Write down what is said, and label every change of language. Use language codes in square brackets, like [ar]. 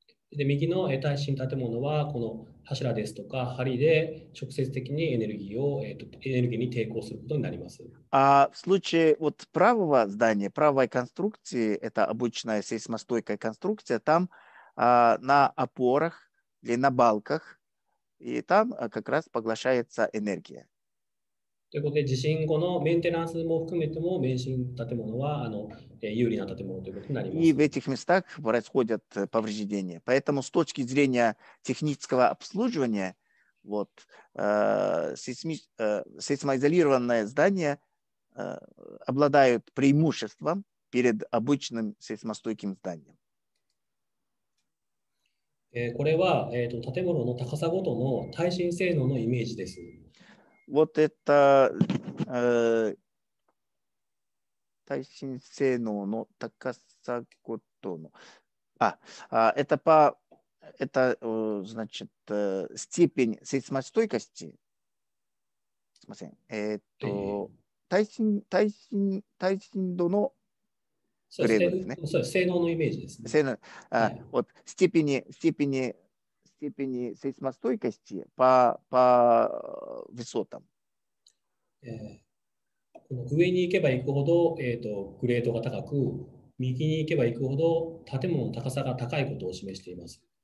[ja] で、右の耐震建物はこの柱ですとか梁で直接的にエネルギーを、エネルギーに抵抗することになります。 [ru] А в случае вот правого здания, правой конструкции, это обычная сейсмостойкая конструкция, там на опорах или на балках, и там как раз поглощается энергия. [ja] ということで、地震後のメンテナンスも含めても、免震建物は有利な建物ということになります。 [ru] И в этих местах происходят повреждения. Поэтому с точки зрения технического обслуживания, вот, сейсмоизолированное здание обладает преимуществом перед обычным сейсмостойким зданием. [ja] これは、建物の高さごとの耐震性能のイメージです。 [ru] Вот это, [ja] 耐震性能の高さごとの。 [ru] это по, это, значит, степень сейсмостойкости. [ja] すみません。耐震度の。そうですね。性能のイメージですね。性能、はい、 [ru] вот степени сейсмостойкости по высотам。 [ja] この上に行けば行くほど、グレードが高く、右に行けば行くほど建物の高さが高いことを示しています。